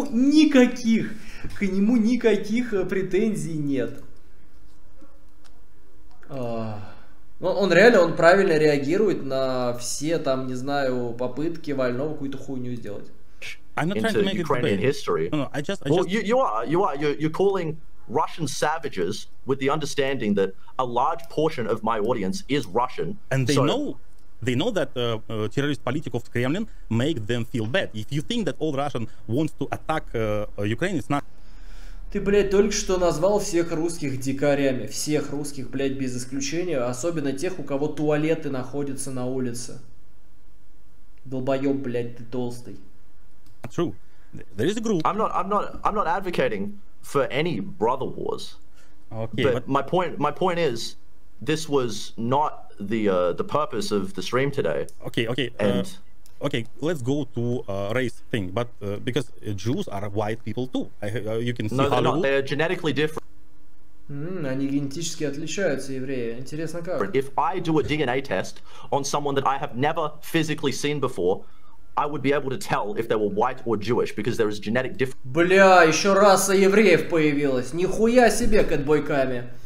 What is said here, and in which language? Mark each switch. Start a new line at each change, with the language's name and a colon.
Russian: К нему никаких претензий нет. Он реально, он правильно реагирует на все там, не знаю, попытки Вольнова какую-то хуйню сделать.
English: I'm not trying to make Ukrainian it history. You're calling Russian savages with the understanding that a large portion of my audience is Russian. And they know that terrorist politics of the Kremlin make them feel bad. If you think that all Russian wants to attack Ukraine, it's not.
Russian: Ты, блядь, только что назвал всех русских дикарями, всех русских, блядь, без исключения, особенно тех, у кого туалеты находятся на улице. Долбоёб, блядь, ты толстый.
English: True. There is a group. I'm not advocating for any brother wars. Okay. But my point is, this was not the purpose of the stream today. Okay. And okay, let's go to race thing. But because Jews are white people too, you can see. No, they're not. They're genetically different.
Russian: Они генетически отличаются, евреи. Интересно как.
English: If I do a DNA test on someone that I have never physically seen before, I would be able to tell if they were white or Jewish because there is genetic difference.
Russian: Бля, еще раса евреев появилась. Нихуя себе, Кэтбойками.